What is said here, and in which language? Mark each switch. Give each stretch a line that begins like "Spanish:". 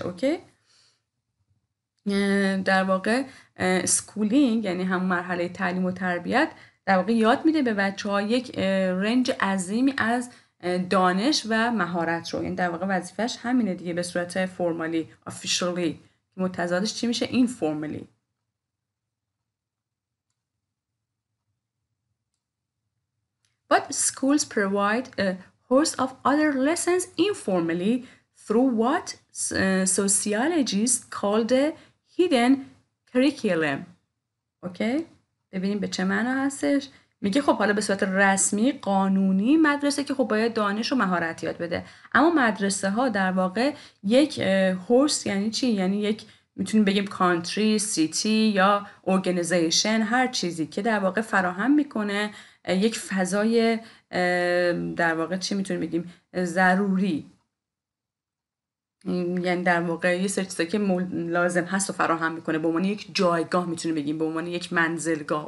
Persian: اوکی؟ در واقع schooling یعنی هم مرحله تعلیم و تربیت، در واقع یاد میده به بچه‌ها یک رنج عظیمی از دانش و مهارت رو. یعنی در واقع وظیفش همینه دیگه، به صورت
English: formally officially.
Persian: متضادش چی میشه؟ این فرمولی.
English: But schools provide a host of other lessons informally through what sociologists call the hidden curriculum.
Persian: Okay؟ ببینیم به چه معنا هستش؟ میگه خب حالا به صورت رسمی قانونی مدرسه که خب باید دانش و مهارت یاد بده، اما مدرسه ها در واقع یک هوست، یعنی چی؟ یعنی یک میتونیم بگیم
English: country, city
Persian: یا organization، هر چیزی که در واقع فراهم میکنه یک فضای در واقع چی میتونیم بگیم ضروری، یعنی در واقع یه سر چیزایی که لازم هست و فراهم میکنه، به عنوان یک جایگاه میتونیم بگیم، به عنوان یک منزلگاه.